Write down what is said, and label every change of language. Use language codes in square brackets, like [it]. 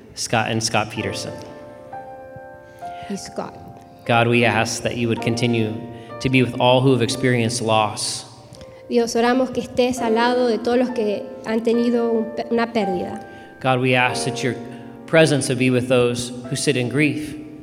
[en] Scott and Scott Peterson. [es] Y Scott. [en] God, we ask that you would continue to be with all who have experienced loss. [es] Dios, oramos que estés al lado de todos los que han tenido una pérdida. [en] God, we ask that your presence would be with those who sit in grief.